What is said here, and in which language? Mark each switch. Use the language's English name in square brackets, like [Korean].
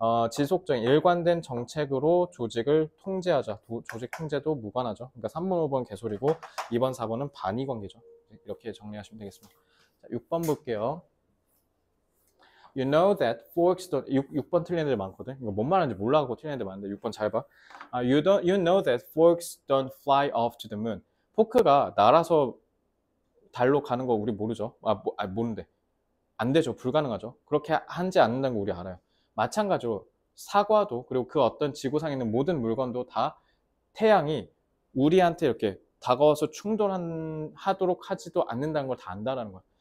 [Korean] 지속적인 일관된 정책으로 조직을 통제하자. 조직 통제도 무관하죠. 그러니까 3번, 5번 개소리고 2번, 4번은 반의관계죠. 이렇게 정리하시면 되겠습니다. [English] 자, 6번 볼게요. You know that forks don't [Korean] 6번 틀린 애들 많거든. 이거 뭔 말하는지 몰라갖고 틀린 애들 많은데 6번 잘 봐. [English] You know that forks don't fly off to the moon. [Korean] 포크가 날아서 달로 가는 거 우리 모르죠. 모른대. 안 되죠. 불가능하죠. 그렇게 하지 않는다는 거 우리 알아요. 마찬가지로 사과도 그리고 그 어떤 지구상에 있는 모든 물건도 다 태양이 우리한테 이렇게 다가와서 충돌하도록 하지도 않는다는 걸다 안다라는 거야.